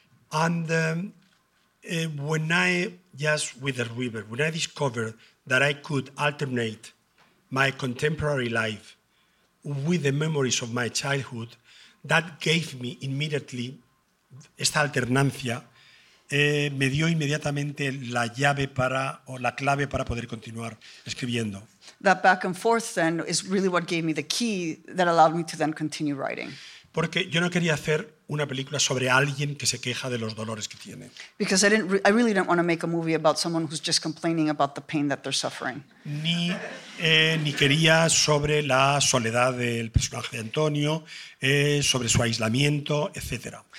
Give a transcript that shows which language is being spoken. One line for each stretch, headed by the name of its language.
English: And when I, just with the river, when I discovered that I could alternate my contemporary life with the memories of my childhood, that gave me immediately
Spanish: esta alternancia, me dio inmediatamente la llave para, o la clave para poder continuar escribiendo.
English: That back and forth then is really what gave me the key that allowed me to then continue writing.
Spanish: Porque yo no quería hacer una película sobre alguien que se queja de los dolores que tiene.
English: Because I really didn't want to make a movie about someone who's just complaining about the pain that they're suffering.
Spanish: Ni quería sobre la soledad del personaje de Antonio, sobre su aislamiento, etc.